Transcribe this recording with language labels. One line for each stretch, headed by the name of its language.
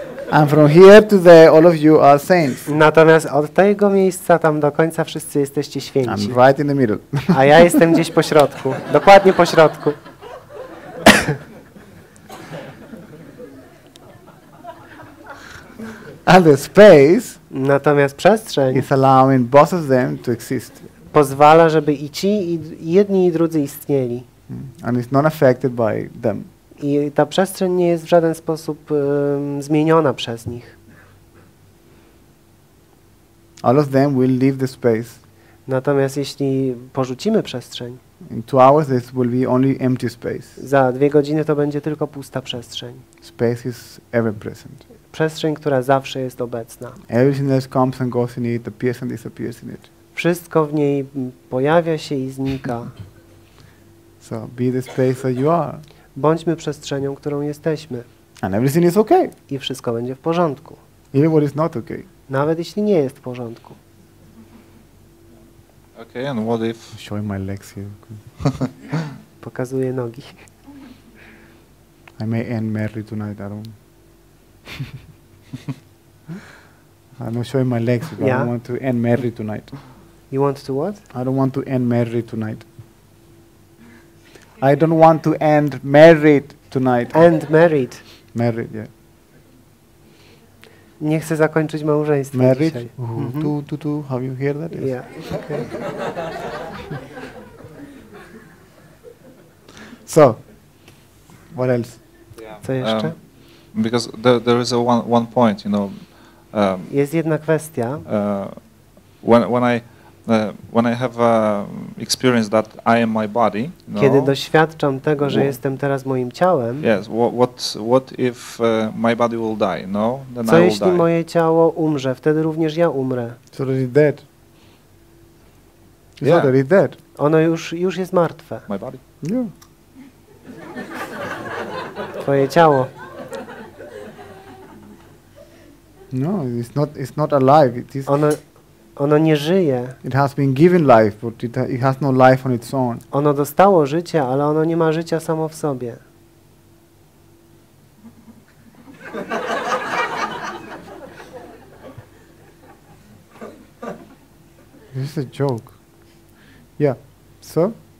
English: And from here to there, all of you are saints.
Polish: Natomiast od tego miejsca tam do końca wszyscy jesteście święci.
English: I'm right in the middle.
Polish: A ja jestem gdzieś po środku. Dokładnie po środku.
English: And the space.
Polish: Natomiast przestrzeń
English: is allowing both of them to exist.
Polish: Pozwala, żeby i ci, i jedni, i drudzy istnieli.
English: And it's not affected by them.
Polish: I ta przestrzeń nie jest w żaden sposób zmieniona przez nich.
English: All of them will leave the space.
Polish: Natomiast jeśli porzucimy przestrzeń,
English: in 2 hours this will be only empty space.
Polish: Za 2 godziny to będzie tylko pusta przestrzeń.
English: Space is ever present.
Polish: Przestrzeń, która zawsze jest obecna.
English: Everything else comes and goes in it, appears and disappears in it.
Polish: Wszystko w niej pojawia się i znika.
English: So be the space that you are.
Polish: Bądźmy przestrzenią, którą jesteśmy.
English: And everything is okay.
Polish: I wszystko będzie w porządku.
English: Even what is not okay.
Polish: Nawet jeśli nie jest w porządku.
English: Okay, and what if? Showing my legs here.
Polish: Pokazuję nogi.
English: I may end merry tonight, I don't. I'm not showing my legs, but yeah. I don't want to end merry tonight. You want to what? I don't want to end merry tonight. I don't want to end married tonight. End married. Married, yeah.
Polish: Nie chcę zakończyć małżeństwa.
English: Married?
Polish: Dzisiaj.
English: Uh-huh. Mm-hmm. Tu. Have you heard that? Yes. Yeah. Okay. So, what else?
Polish: Yeah. Co jeszcze?
English: Because there is a one point, you know.
Polish: Jest jedna kwestia.
English: When I have experienced that I am my body, no?
Polish: Kiedy doświadczam tego, że jestem teraz moim ciałem.
English: Yes. What if my body will die? No. Then
Polish: co jeśli moje ciało umrze? Wtedy również ja umrę.
English: It's already dead. It's already dead.
Polish: Ono już jest martwe.
English: My body. Yeah.
Polish: Twoje ciało.
English: No, it's not alive. It is.
Polish: Ono nie żyje.
English: It has been given life, but it has no life on its own.
Polish: Ono dostało życie, ale ono nie ma życia samo w sobie.
English: This is a joke. Yeah. So?